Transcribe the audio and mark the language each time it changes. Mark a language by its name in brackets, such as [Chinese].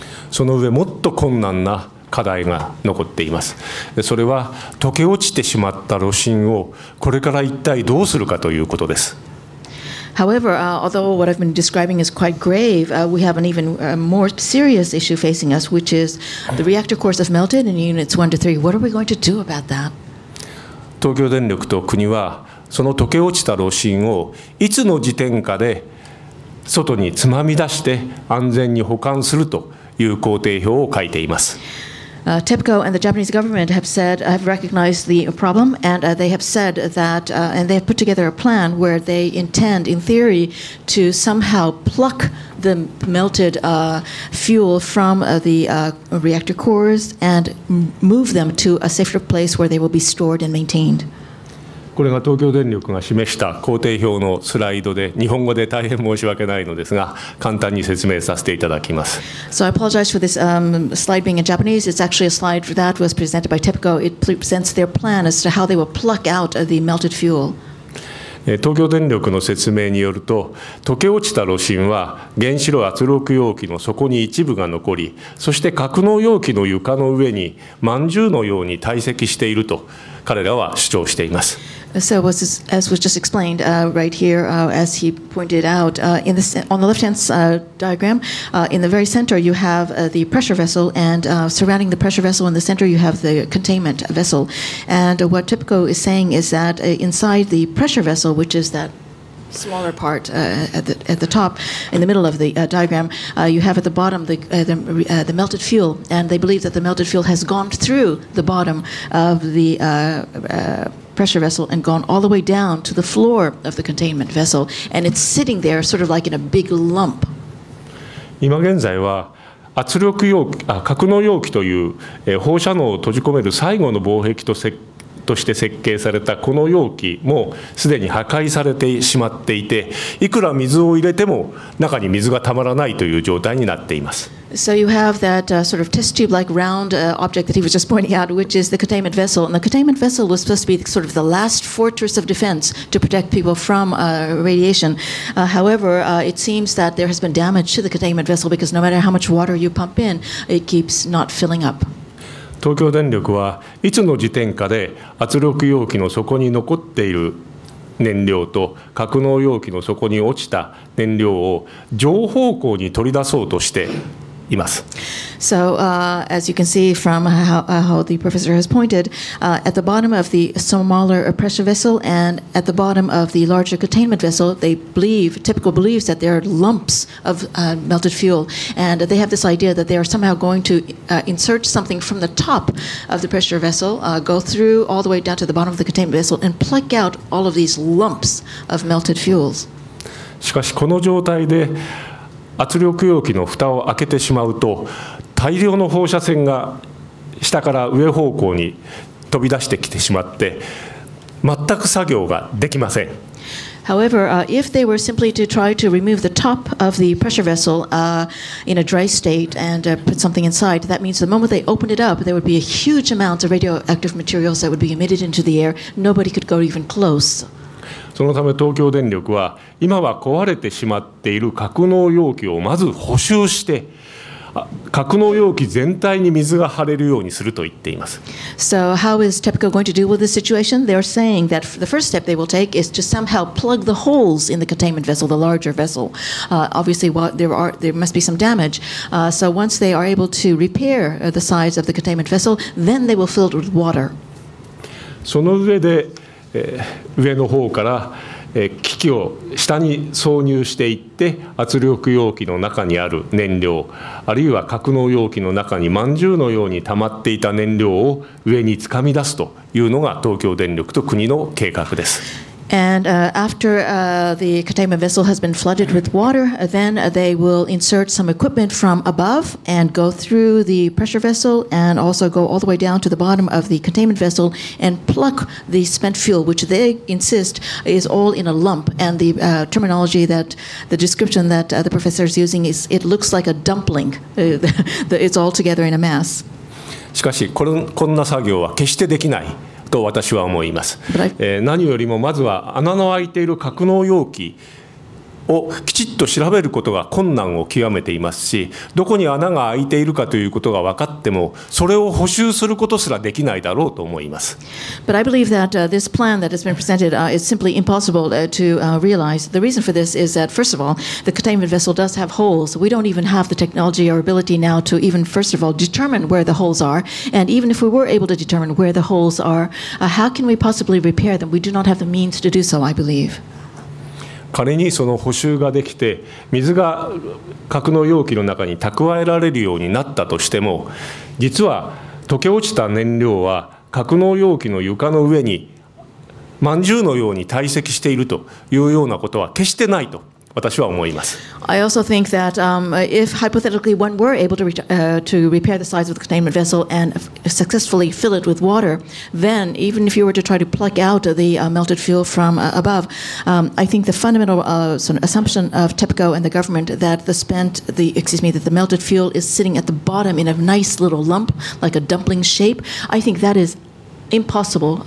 [Japanese] その上もっと困難な課題が残っています。それは溶け落ちてしまった炉心をこれから一体どうするかということです。 [English] However, although what I've been describing is quite grave, we have an even more serious issue facing us, which is the reactor cores have melted in units 1 to 3. What are we going to do about that? [Japanese] 東京電力と国はその溶け落ちた炉心をいつの時点かで外につまみ出して安全に保管するという工程表を書いています。 [English] TEPCO and the Japanese government have recognized the problem, and they have said that, and they have put together a plan where they intend, in theory, to somehow pluck the melted fuel from the reactor cores and move them to a safer place where they will be stored and maintained. [Japanese] これが東京電力が示した工程表のスライドで、日本語で大変申し訳ないのですが、簡単に説明させていただきます。 [English] So I apologize for this slide being in Japanese. It's actually a slide that was presented by TEPCO. It presents their plan as to how they will pluck out the melted fuel. [Japanese] 東京電力の説明によると、溶け落ちた炉心は原子炉圧力容器の底に一部が残り、そして格納容器の床の上にまんじゅうのように堆積していると彼らは主張しています。 [English] So as was just explained right here, as he pointed out, on the left-hand diagram, in the very center you have the pressure vessel, and surrounding the pressure vessel in the center you have the containment vessel. And what TEPCO is saying is that inside the pressure vessel, which is that smaller part at the top, in the middle of the diagram, you have at the bottom the melted fuel, and they believe that the melted fuel has gone through the bottom of the pressure vessel and gone all the way down to the floor of the containment vessel, and it's sitting there sort of like in a big lump. [Japanese] 今現在は圧力容器、格納容器という放射能を閉じ込める最後の防壁として設計されたこの容器もすでに破壊されてしまっていて、いくら水を入れても中に水がたまらないという状態になっています。 [English] So you have that sort of test tube-like round object that he was just pointing out, which is the containment vessel. And the containment vessel was supposed to be sort of the last fortress of defense to protect people from radiation. However, it seems that there has been damage to the containment vessel because no matter how much water you pump in, it keeps not filling up. [Japanese] 東京電力はいつの時点かで圧力容器の底に残っている燃料と格納容器の底に落ちた燃料を上方向に取り出そうとしています。 [English] So, as you can see from how the professor has pointed, at the bottom of the smaller pressure vessel and at the bottom of the larger containment vessel, they believe, typical believes that there are lumps of melted fuel. And they have this idea that they are somehow going to insert something from the top of the pressure vessel, go through all the way down to the bottom of the containment vessel, and pluck out all of these lumps of melted fuels. [Japanese] しかしこの状態で圧力容器の蓋を開けてしまうと、大量の放射線が下から上方向に飛び出してきてしまって、全く作業ができません。 [English] However, if they were simply to try to remove the top of the pressure vessel in a dry state and put something inside, that means the moment they opened it up, there would be a huge amount of radioactive materials that would be emitted into the air. Nobody could go even close. [Japanese] そのため東京電力は今は壊れてしまっている格納容器をまず補修して格納容器全体に水が張れるようにすると言っています。 [English] So how is TEPCO going to deal with this situation? They are saying that the first step they will take is to somehow plug the holes in the containment vessel, the larger vessel. Obviously, there must be some damage. So once they are able to repair the size of the containment vessel, then they will fill it with water. [Japanese] その上で上の方から機器を下に挿入していって圧力容器の中にある燃料あるいは格納容器の中にまんじゅうのようにたまっていた燃料を上につかみ出すというのが東京電力と国の計画です。 [English] And after the containment vessel has been flooded with water, then they will insert some equipment from above and go through the pressure vessel and also go all the way down to the bottom of the containment vessel and pluck the spent fuel, which they insist is all in a lump. And the terminology that the description that the professor is using is it looks like a dumpling. It's all together in a mass. [Japanese] しかし、こんな作業は決してできない。と私は思います。何よりもまずは穴の開いている格納容器をきちっと調べることが困難を極めていますし、どこに穴が開いているかということが分かっても、それを補修することすらできないだろうと思います。 [English] But I believe that this plan that has been presented is simply impossible to realize. The reason for this is that, first of all, the containment vessel does have holes. We don't even have the technology or ability now to even, first of all, determine where the holes are. And even if we were able to determine where the holes are, how can we possibly repair them? We do not have the means to do so, I believe. [Japanese] 仮にその補修ができて水が格納容器の中に蓄えられるようになったとしても実は溶け落ちた燃料は格納容器の床の上にまんじゅうのように堆積しているというようなことは決してないと私は思います。 [English] I also think that if hypothetically one were able to, to repair the size of the containment vessel and successfully fill it with water, then even if you were to try to pluck out the melted fuel from above, I think the fundamental sort of assumption of TEPCO and the government that the melted fuel is sitting at the bottom in a nice little lump, like a dumpling shape, I think that is impossible.